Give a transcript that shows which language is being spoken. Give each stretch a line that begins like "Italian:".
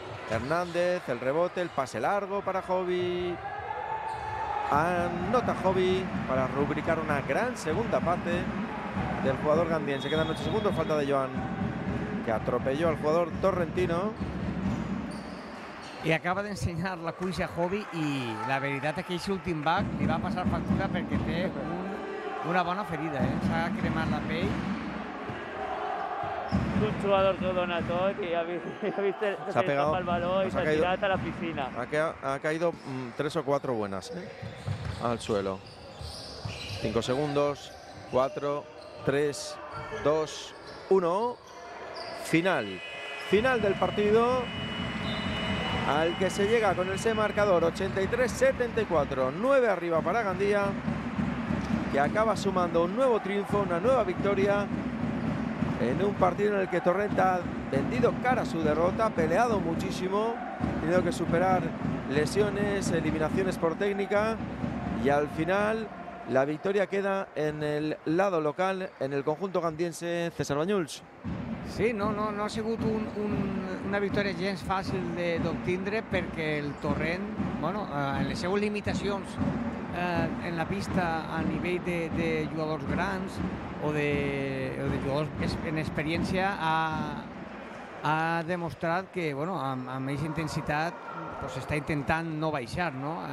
Spanish: Hernández, el rebote, el pase largo para Hobby, anota Hobby para rubricar una gran segunda parte del jugador Gandien. Se quedan 8 segundos, falta de Joan, que atropelló al jugador torrentino.
Catalan: I acaba d'ensenyar la cuixa a Hobby i la veritat és que aquest últim bac li va passar factura perquè té una bona ferida, eh? S'ha cremat la pell. Un jugador que ho dona tot i ha vist el pegado, el baló i s'ha tirat a la piscina.
Spanish: Ha caído 3 o 4 buenas, ¿eh? Al suelo. 5 segundos, 4, 3, 2, 1. Final. Final del partido. Al que se llega con ese marcador 83-74, 9 arriba para Gandía, que acaba sumando un nuevo triunfo, una nueva victoria en un partido en el que Torrent ha vendido cara su derrota, peleado muchísimo, tenido que superar lesiones, eliminaciones por técnica, y al final la victoria queda en el lado local, en el conjunto gandiense. César Bañuls.
Catalan: Sí, no ha sigut una victòria gens fàcil d'obtindre perquè el Torrent, bueno, en les seues limitacions en la pista a nivell de jugadors grans o de jugadors en experiència ha demostrat que, bueno, amb aquesta intensitat pues està intentant no baixar, no?